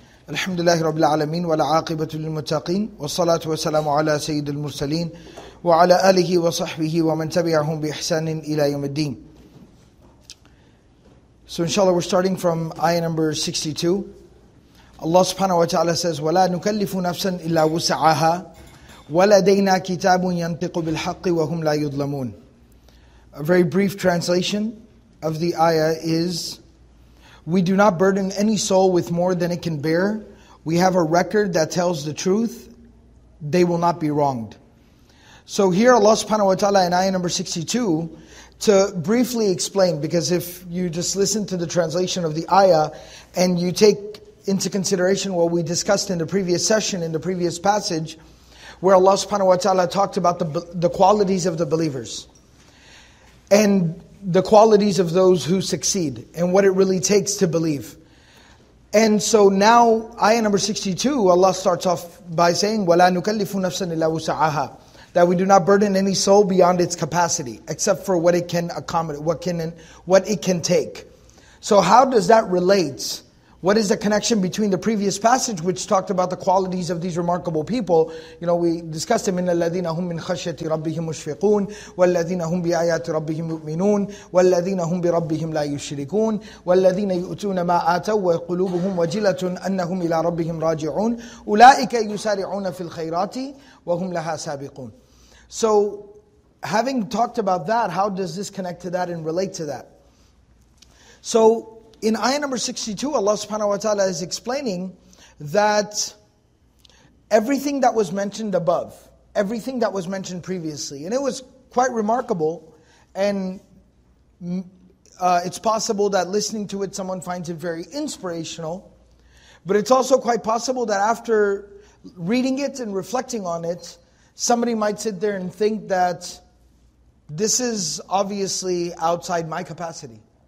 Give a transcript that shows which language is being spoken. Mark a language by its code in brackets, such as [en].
[ar] الحمد لله رب العالمين والعاقبة للمتقين والصلاة والسلام على سيد المرسلين وعلى آله وصحبه ومن تبعهم بإحسان إلى يوم الدين. [en] So inshallah, we're starting from ayah number 62. Allah subhanahu wa ta'ala says, [ar] وَلَا نُكَلِّفُ نَفْسًا إِلَّا وُسَعَهَا وَلَدَيْنَا كِتَابٌ يَنْتِقُ بِالْحَقِّ وَهُمْ لَا يُظْلَمُونَ. [en] A very brief translation of the ayah is, we do not burden any soul with more than it can bear. We have a record that tells the truth. They will not be wronged. So here Allah subhanahu wa ta'ala in ayah number 62, to briefly explain, because if you just listen to the translation of the ayah and you take into consideration what we discussed in the previous session, in the previous passage, where Allah subhanahu wa ta'ala talked about the qualities of the believers and the qualities of those who succeed and what it really takes to believe. And so now, ayah number 62, Allah starts off by saying, [ar] وَلَا نُكَلِّفُ نَفْسًا إِلَّا وُسَعَهَا, [en] that we do not burden any soul beyond its capacity, except for what it can accommodate, what it can take. So how does that relate? What is the connection between the previous passage, which talked about the qualities of these remarkable people? You know, we discussed them, [ar] إِنَّ الَّذِينَ هُمْ مِنْ خَشْيَةِ رَبِّهِمْ مُشْفِقُونَ وَالَّذِينَ هُمْ بِآيَاتِ رَبِّهِمْ مُؤْمِنُونَ وَالَّذِينَ هُمْ بِرَبِّهِمْ لَا يُشْرِكُونَ وَالَّذِينَ يُؤْتُونَ مَا آتَوا وَقُلُوبُهُمْ وَجِلَةٌ أَنَّهُمْ إِلَى رَبِّهِمْ رَاجِعُونَ أُولَٰئِكَ يُسَارِعُونَ فِي الْخَيْرَاتِ وَهُمْ لَهَا سَابِقُونَ. [en] So, having talked about that, how does this connect to that and relate to that? So, in ayah number 62, Allah subhanahu wa ta'ala is explaining that everything that was mentioned above, everything that was mentioned previously, and it was quite remarkable, and it's possible that listening to it, someone finds it very inspirational, but it's also quite possible that after reading it and reflecting on it, somebody might sit there and think that this is obviously outside my capacity.